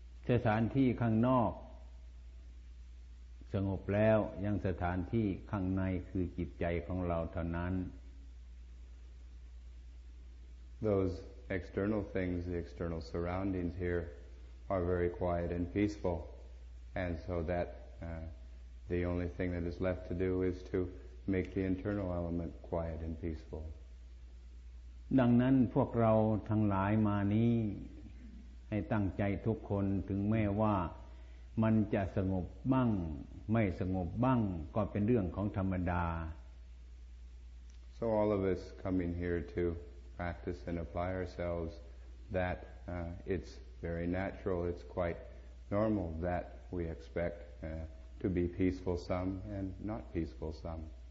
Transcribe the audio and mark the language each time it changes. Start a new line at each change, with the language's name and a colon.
Thai: สถานที่ข้างนอกสงบแล้วยังสถานที่ข้างในคือจิตใจของเราเท่านั้น
English: Those external things, the external surroundings here are very quiet and peaceful and so that the only thing that is left to do is to make the internal element quiet and peaceful
Thai: ดังนั้นพวกเราทั้งหลายมานี้ให้ตั้งใจทุกคนถึงแม้ว่ามันจะสงบบ้างไม่สงบบ้างก็เป็นเรื่องของธรรมดา
English: So all of us come in here to practice and apply ourselves that it's very natural it's quite normal that we expect to be peaceful some and not peaceful some